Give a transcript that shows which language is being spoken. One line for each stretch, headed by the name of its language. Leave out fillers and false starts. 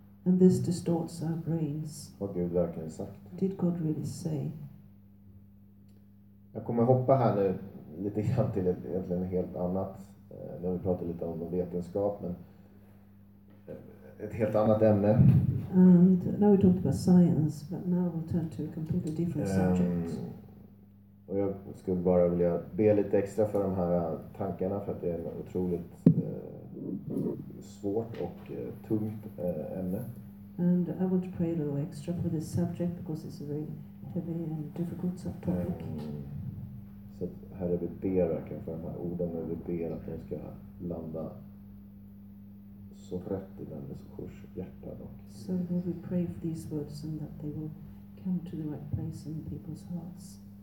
English: And this distorts our brains.
Swedish: Vad Gud verkligen sagt.
English: Did God really say?
Swedish: Jag kommer hoppa här nu lite grann till egentligen helt annat. Nu har vi pratat lite om vetenskap, men ett helt annat ämne.
English: And now we talked about science, but now we'll turn to a completely different subject.
Swedish: Och jag skulle bara vilja be lite extra för de här tankarna, för att det är otroligt svårt och tungt ämne.
English: And I want to pray a little extra for this subject because it's a very heavy and difficult topic.
Swedish: Så Herre, vi ber verkligen för de här orden, och vi ber att de ska landa så rätt i den människors hjärta då.
English: So Lord, we pray for these words and that they will come to the right place in people's hearts.